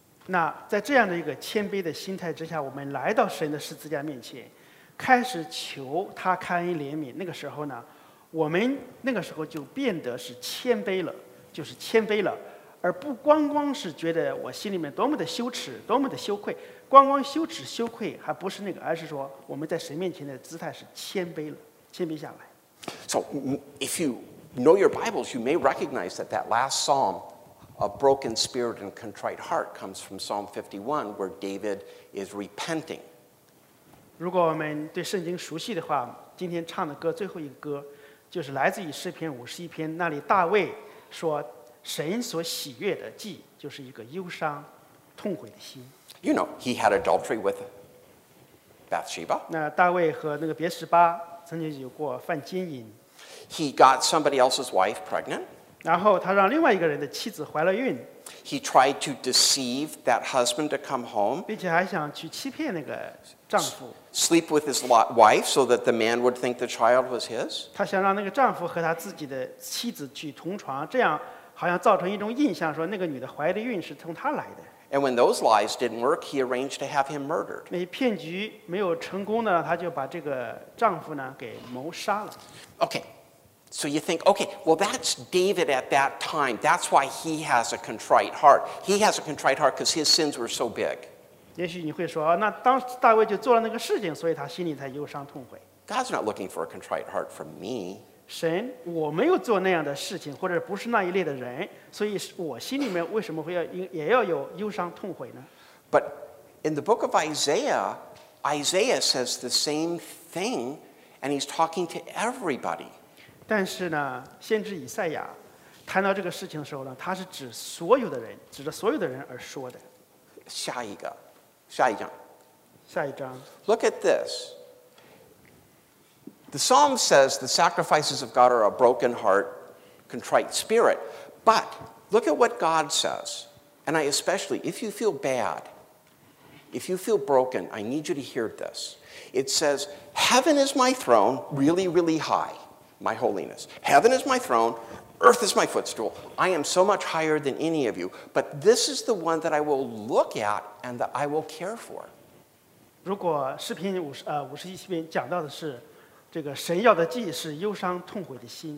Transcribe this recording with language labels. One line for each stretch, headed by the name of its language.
Chinese: 那在这样的一个谦卑的心态之下我们来到神的十字架面前开始求他开恩怜悯那个时候呢我们那个时候就变得是谦卑了就是谦卑了而不光光是觉得我心里面多么的羞耻多么的羞愧光光羞耻羞愧还不是那个而是说我们在神面前的姿态是谦卑了谦卑下来
English: So if you know your Bibles you may recognize that that last psalmA broken spirit and contrite heart comes from Psalm 51, where David is repenting.
Chinese: 如果我们对圣经熟悉的话，今天唱的歌最后一个歌，就是来自于诗篇51篇，那里大卫说，神所喜悦的祭就是一个忧伤、痛悔的心。
English: You know, he had adultery with Bathsheba.
Chinese: 那大卫和那个别示巴曾经有过犯奸淫。
English: He got somebody else's wife pregnant.
Chinese: 然后他让另外一个人的妻子怀了孕。
English: He tried to deceive that husband to come home.
Chinese: 并且还想去欺骗那个丈夫。
English: Sleep with his wife so that the man would think the child was his.
Chinese: 他想让那个丈夫和他自己的妻子去同床，这样好像造成一种印象，说那个女的怀的孕是从他来的。
English: And when those lies didn't work, he arranged to have him murdered.
Chinese: 那骗局没有成功呢，他就把这个丈夫呢给谋杀了。
English: Okay. So you think, okay, well, that's David at that time. That's why he has a contrite heart. He has a contrite heart because his sins were so big.
Chinese: 也许你会说，那当大卫就做了那个事情，所以他心里才忧伤痛悔。
English: God's not looking for a contrite heart from me.
Chinese: 神，我没有做那样的事情，或者不是那一类的人，所以我心里面为什么会要也要有忧伤痛悔呢？
English: But in the book of Isaiah, Isaiah says the same thing, and he's talking to everybody.
Chinese: 但是呢，先知以赛亚谈到这个事情的时候呢，他是指所有的人，指着所有的人而说的。下一个，下一章。下一章。
English: Look at this. The psalm says the sacrifices of God are a broken heart, contrite spirit. But look at what God says. And I especially, if you feel bad, if you feel broken, I need you to hear this. It says, "Heaven is my throne, really, really high." My holiness. Heaven is my throne. Earth is my footstool. I am so much higher than any of you. But this is the one that I will look at and that I will care for.
Chinese: 如果诗篇51篇讲到的是这个神要的祭是忧伤痛悔的心。